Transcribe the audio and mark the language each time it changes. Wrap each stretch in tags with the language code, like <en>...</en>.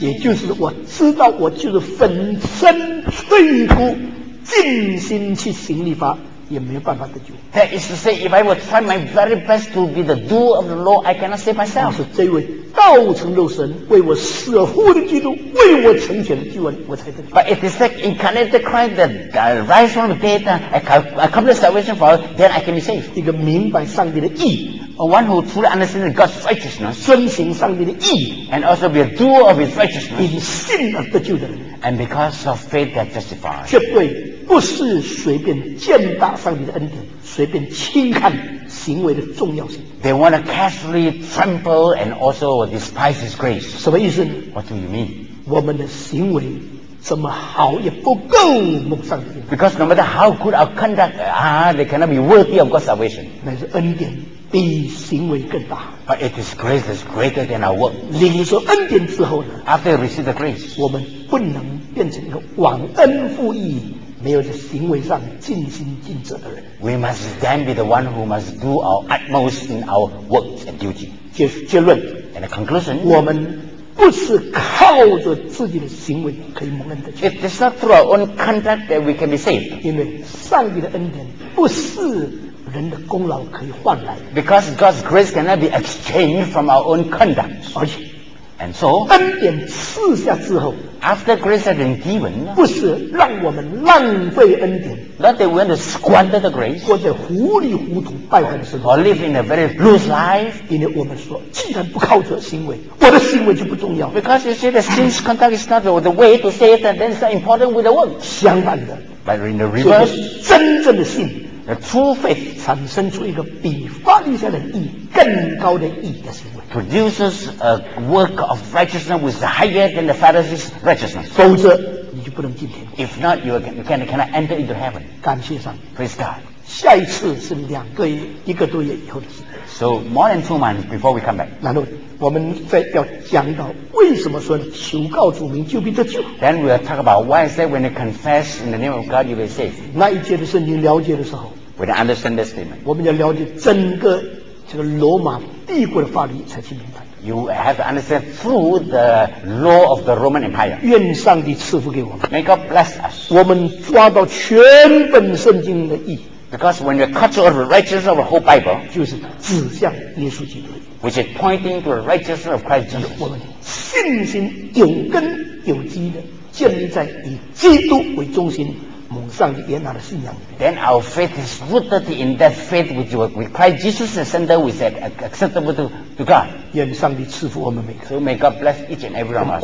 <zh>也就是我知道我就是粉身碎骨尽心去行律法也没有办法得救</zh> <en>That is to say if I would try my very best to be the doer of the law I cannot save myself</en> <zh>是这位道成肉身为我舍乎的基督为我成全的救恩我才得救</zh> <en>But it is like incarnate Christ that rise from the dead accomplish salvation for us then I can be saved</en> <zh>一个明白上帝的意</zh> <en>One who truly understands God's righteousness,</en> <zh>遵行上帝的义,</zh> <en>and also be a doer of His righteousness,</en> <zh>因信而得救的人,</zh> <en>and because of faith that justifies.</en> <zh>这位不是随便践踏上帝的恩典，随便轻看行为的重要性.</zh> <en>They want to casually trample and also despise His grace.</en> <zh>什么意思呢?</zh> <en>What do you mean?</en> <zh>我们的行为怎么好也不够蒙上帝的恩典.</zh> <en>Because no matter how good our conduct are, they cannot be worthy of God's salvation.</en> <zh>那是恩典。比行为更大</zh> <en>But it is grace that is greater than our work</en> <zh>领受恩典之后呢</zh> <en>After we receive the grace</en> <zh>我们不能变成一个忘恩负义没有在行为上尽心尽责的人</zh> <en>We must then be the one who must do our utmost in our work and duty</en> <zh>结论</zh> <en>And the conclusion</en> <zh>我们不是靠着自己的行为可以蒙恩得救</zh> <en>It is not through our own conduct that we can be saved</en> <zh>因为上帝的恩典不是人的功劳可以换来</zh> <en>Because God's grace cannot be exchanged from our own conduct. And so,</en> <zh>恩典赐下之后</zh> <en>after grace has been given,</en> <zh>不是让我们浪费恩典</zh> <en>not that we want to squander the grace,</en> <zh>或者糊里糊涂败坏的生活</zh> <en>or live in a very loose life,</en> <zh>因为我们说既然不靠着行为我的行为就不重要</zh> <en>Because you see that sin's conduct is not the way to say it and then it's not important with the work.</en> <zh>相反的</zh> <en>But in the reverse,</en> <zh>真正的信</zh> <en>The true faith</en> <zh>产生出一个比法利赛人义更高的义的行为</zh> <en>produces a work of righteousness which is higher than the Pharisee's righteousness.</en> <zh>否则你就不能进天。</zh> <en>If not, you cannot enter into heaven.</en> <zh>感谢上帝。</zh> <en>Praise God.</en> <zh>下一次是两个月、一个多月以后的事。</zh> <en>So more than 2 months before we come back.</en> <zh>然后我们再要讲到为什么说求告主名就必得救。</zh> <en>Then we will talk about why is that when you confess in the name of God you will be saved.</en> <zh>那一节的圣经了解的时候</zh> <en>When you understand this statement.</en> <zh>我们要了解整个这个罗马帝国的法律才去明白。</zh> <en>You have to understand through the law of the Roman Empire.</en> <zh>愿上帝赐福给我们。</zh> <en>May God bless us.</en> <zh>我们抓到全本圣经的意义。</zh> <en>Because when you cut off the righteousness of the whole Bible,</en> <zh>就是指向耶稣基督。</zh> <en>Which is pointing to the righteousness of Christ Jesus.</en> <zh>我们信心有根有基的建立在以基督为中心蒙上帝悦纳的信仰。</zh> <en>Then our faith is rooted in that faith which with Christ Jesus as center, which is acceptable to God.</en> <zh>愿上帝赐福我们每个。</zh> <en>So may God bless each and every one of us.</en>